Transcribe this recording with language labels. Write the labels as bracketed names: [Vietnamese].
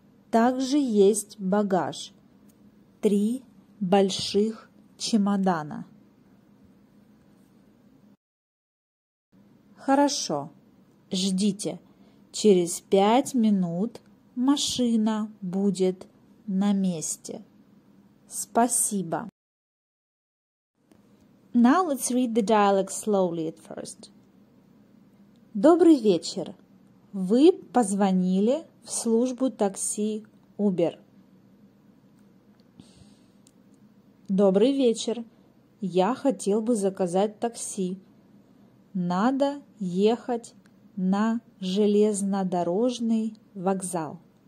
[Russian] Также есть багаж. Три больших чемодана. Хорошо, ждите. Через 5 минут машина будет на месте. Спасибо. [English] Now let's read the dialogue slowly at first. [Russian] Добрый вечер. Вы позвонили в службу такси Uber. Добрый вечер. Я хотел бы заказать такси. Надо ехать на железнодорожный вокзал.